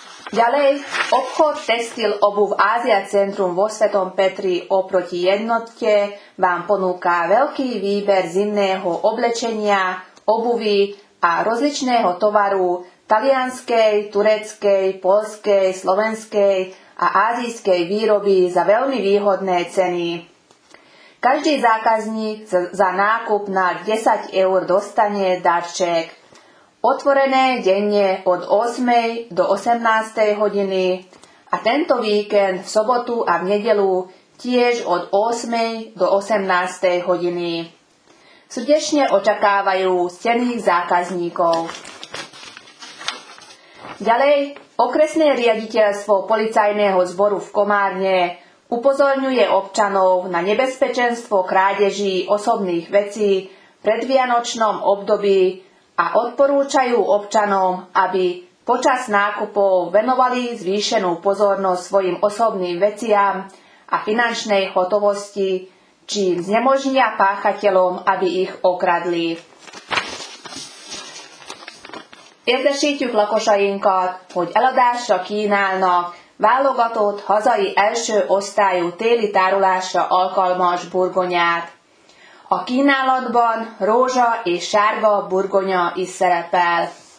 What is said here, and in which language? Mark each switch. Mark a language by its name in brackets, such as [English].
[Slovak] Ďalej, obchod Textil Obuv Ázia Centrum vo Svetom Petri oproti jednotke vám ponúka veľký výber zimného oblečenia, obuvy a rozličného tovaru talianskej, tureckej, poľskej, slovenskej a ázijskej výroby za veľmi výhodné ceny. Každý zákazník za nákup na 10 eur dostane darček. Otvorené denne od 8. do 18. hodiny a tento víkend v sobotu a v nedeľu tiež od 8. do 18. hodiny. Srdečne očakávajú stených zákazníkov. Ďalej, okresné riaditeľstvo policajného zboru v Komárne upozorňuje občanov na nebezpečenstvo krádeží osobných vecí v predvianočnom období a odporúčajú občanom, aby počas nákupov venovali zvýšenú pozornosť svojim osobným veciam a finančnej hotovosti, čím znemožnia páchateľom, aby ich okradli. [Hungarian] Értesítjük lakosainkat, hogy eladásra kínálnak válogatott hazai első osztályú téli tárolásra alkalmas burgonyát. A kínálatban rózsa és sárga burgonya is szerepel.